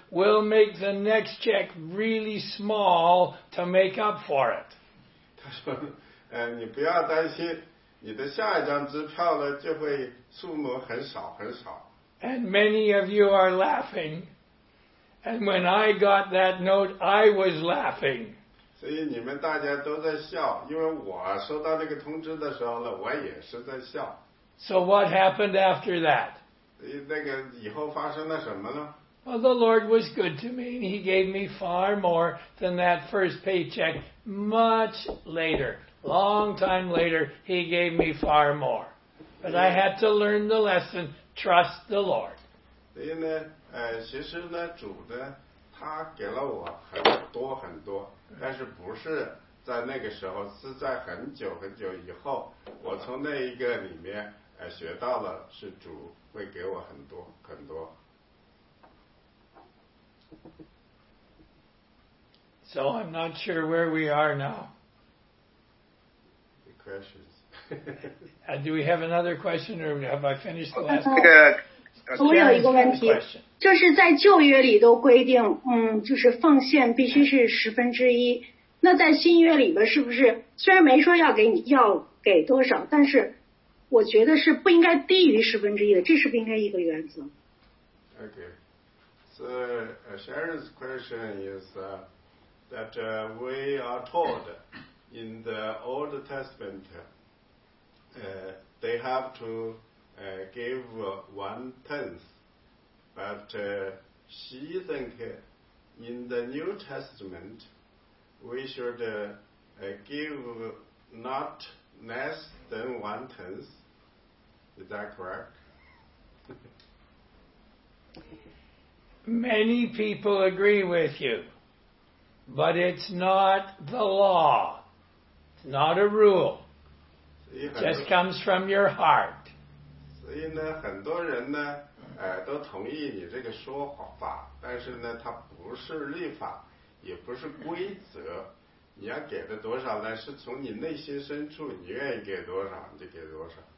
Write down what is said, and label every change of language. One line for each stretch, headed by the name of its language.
English: We'll make the next check really small to make up for it.
Chinese: 他说，你不要担心，你的下一张支票呢就会数目很少很少。
English: And many of you are laughing. And when I got that note, I was laughing.
Chinese: 所以你们大家都在笑，因为我收到这个通知的时候呢，我也是在笑。
English: So what happened after that?
Chinese: 那个以后发生了什么呢？
English: Well, the Lord was good to me, and He gave me far more than that first paycheck. Much later, long time later, He gave me far more. But I had to learn the lesson, trust the Lord.
Chinese: 所以呢，其实呢，主呢。他给了我很多很多，但是不是在那个时候，是在很久很久以后，我从那一个里面学到了，是主会给我很多很多。
English: So I'm not sure where we are now. The questions. do we have another question, or have I finished the last question?
Chinese: 我有一个问题，就是在旧约里都规定，就是奉献必须是十分之一。那在新约里边，是不是虽然没说要给你要给多少，但是我觉得是不应该低于十分之一的，这是不应该一个原则。
English: Okay, so Sharon's question is that we are told in the Old Testament they have to give one tenth, but she thinks in the New Testament. We should give not less than one tenth. Is that correct? Many people agree with you, but it's not the law. It's not a rule. It just comes from your heart.
Chinese: 所以呢，很多人呢，都同意你这个说法，但是呢，它不是律法。也不是规则，你要给的多少呢？是从你内心深处，你愿意给多少你就给多少。